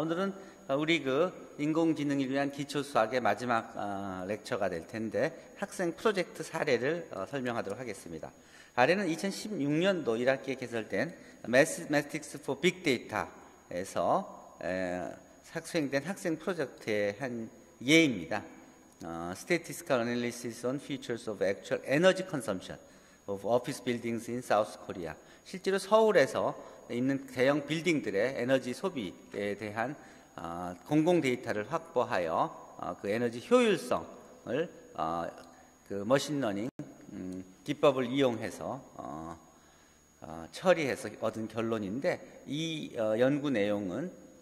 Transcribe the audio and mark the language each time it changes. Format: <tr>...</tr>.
<ko>오늘은 우리 그 인공지능을 위한 기초수학의 마지막 렉처가 될 텐데 학생 프로젝트 사례를 설명하도록 하겠습니다. 아래는 2016년도 1학기에 개설된 Mathematics for Big Data에서 수행된 학생 프로젝트의 한 예입니다.</ko> <en>Statistical Analysis on Features of Actual Energy Consumption of Office Buildings in South Korea.</en> <ko>실제로 서울에서 있는 대형 빌딩들의 에너지 소비에 대한 공공 데이터를 확보하여 그 에너지 효율성을 그 머신러닝 기법을 이용해서 처리해서 얻은 결론인데 이 연구 내용은</ko>